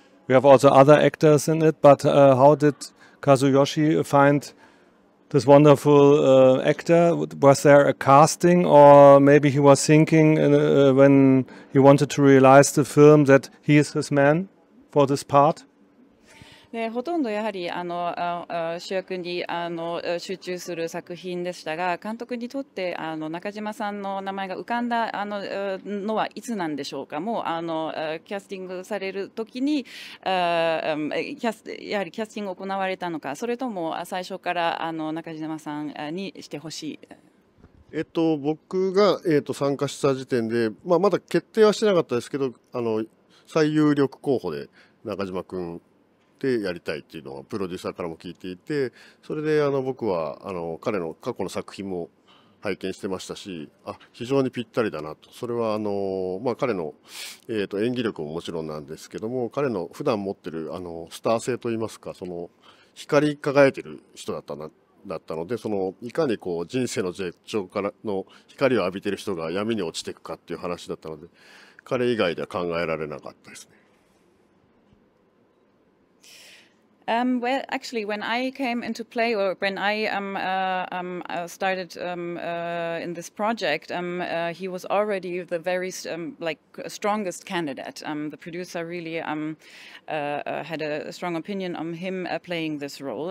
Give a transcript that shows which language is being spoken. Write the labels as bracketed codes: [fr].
[en] We have also other actors in it, but how did Kazuyoshi find this wonderful actor? Was there a casting, or maybe he was thinking when he wanted to realize the film that he is his man for this part? [ja] でほとんどやはり主役に集中する作品でしたが、監督にとって中島さんの名前が浮かんだのはいつなんでしょうか。もうキャスティングされるときにやはりキャスティングを行われたのか、それとも最初から中島さんにしてほしい。僕が、参加した時点で、まあ、まだ決定はしてなかったですけど、最有力候補で中島君でやりたいっていうのはプロデューサーからも聞いていて、それで僕は彼の過去の作品も拝見してましたし、あ、非常にぴったりだなと。それはまあ彼の演技力ももちろんなんですけども、彼の普段持ってるスター性といいますか、その光り輝いてる人だったな、だったので、そのいかにこう人生の絶頂からの光を浴びてる人が闇に落ちていくかっていう話だったので、彼以外では考えられなかったですね。 [en] Well, actually, when I came into play, or when I started in this project, he was already the very strongest candidate. The producer really had a strong opinion on him playing this role.